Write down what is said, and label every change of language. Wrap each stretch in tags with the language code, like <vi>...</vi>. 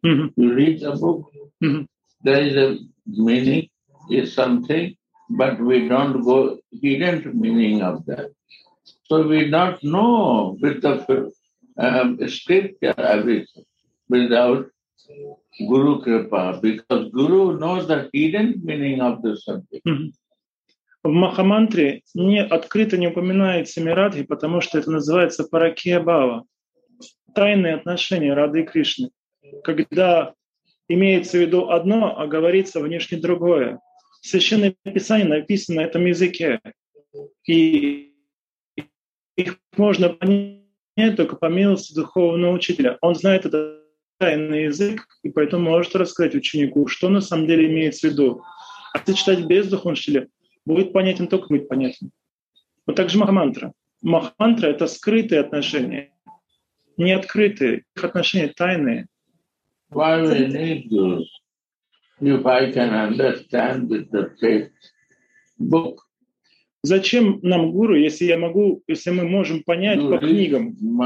<en>You read the book, there is a meaning, is something, but we don't go hidden meaning of that. So we don't know with the scripture everything without Guru Kripa, because Guru knows the hidden meaning of the subject.</en> <ru>В Махамантре не открыто не упоминается Мирадхи, потому что это называется Паракия Бхава. Тайные отношения Рады и Кришны. Когда имеется в виду одно, а говорится внешне другое. Священное Писание написано на этом языке. И их можно понять только по милости духовного учителя. Он знает этот тайный язык, и поэтому может рассказать ученику, что на самом деле имеется в виду. А если читать без духовного учителя, будет понятен только будет понятен. Вот также Махамантра. Махамантра — это скрытые отношения. Не открытые, их отношения тайные.</ru> <en>Why we need Gurus? If I can understand with the faith book.</en> <ru>Зачем нам гуру, если я могу, если мы можем понять по книгам?</ru>